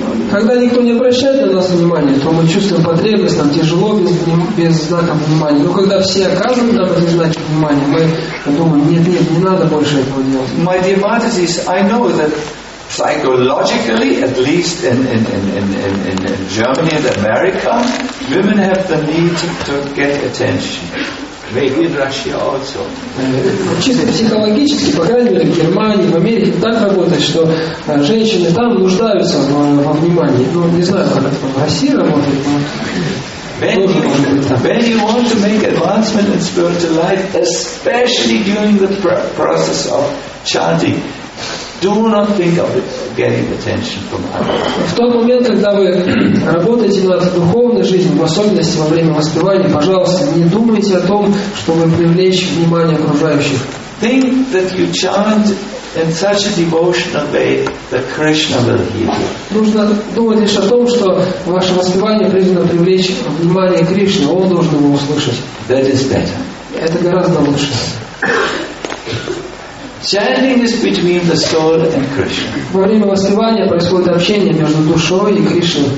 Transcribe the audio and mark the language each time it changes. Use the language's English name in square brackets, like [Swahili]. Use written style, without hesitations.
[Russian] Когда никто не обращает на нас внимания, то мы чувствуем потребность, нам тяжело без знака внимания. Но когда все оказывают нам эти знаки внимания, мы думаем, нет, не надо больше этого делать. [English] My dear Matis, I know that psychologically, at least in Germany and America, women have the need to get attention. Maybe in Russia also. [Russian] Чисто психологически, по крайней мере, в Германии, в Америке так работает, что женщины там нуждаются во внимании. Ну, не знаю, как это в России работает, но... [English] When you want to make advancement in spiritual life, especially during the process of chanting, do not think of it getting attention from others. [Russian] В тот момент, когда вы работаете над духовной жизнью, в особенности во время воспевания, пожалуйста, не думайте о том, чтобы привлечь внимание окружающих. [English] Think that you chant in such a devotional way that Krishna will hear you. [Russian] Нужно думать лишь о том, что ваше воспевание призвано привлечь внимание Кришны, Он должен его услышать. [English] That is better. [Russian] Это гораздо лучше. [English] Chanting is between the soul and Krishna. [Russian] Во время воспевания происходит общение между душой и Кришной.